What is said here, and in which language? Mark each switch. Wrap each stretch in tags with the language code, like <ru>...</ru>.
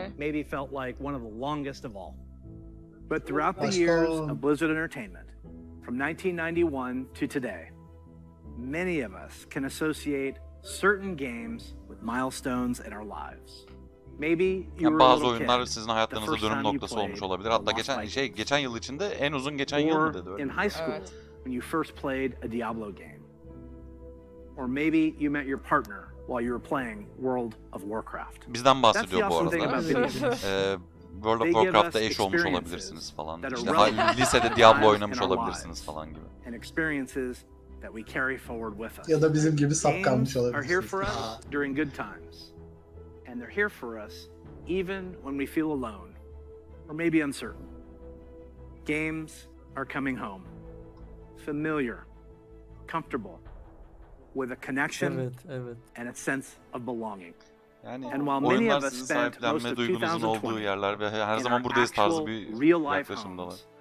<en>maybe felt like one of the longest of all. But throughout the years of Blizzard Entertainment from 1991 to today, many of us can associate certain games with milestones in our lives. Maybe you were</en> <tr>bazı oyunlar sizin hayatlarınızda dönüm noktası olmuş olabilir. Hatta geçen geçen yıl içinde en uzun geçen yıl dedi böyle.</tr> <en>In high school when you first played a Diablo game. Or maybe you met your partner while you were playing World of Warcraft.</en> <tr>Bizden bahsediyor bu arada. World of Warcraft'ta eş olmuş olabilirsiniz falan. İşte lisede Diablo oynamış olabilirsiniz falan gibi.</tr> <en>That we carry forward with us.</en> <tr>Ya da bizim gibi sapkanmış olabilirsiniz.</tr> <en>Are here for us during good times. And they're here for us even when we feel alone or maybe uncertain. Games are coming home. Familiar, comfortable, with a connection and a sense of belonging.</en> <tr>Yani oyunlar sizin sahiplenme duygunuzun olduğu yerler ve her zaman buradayız tarzı bir yaklaşımda var.</tr>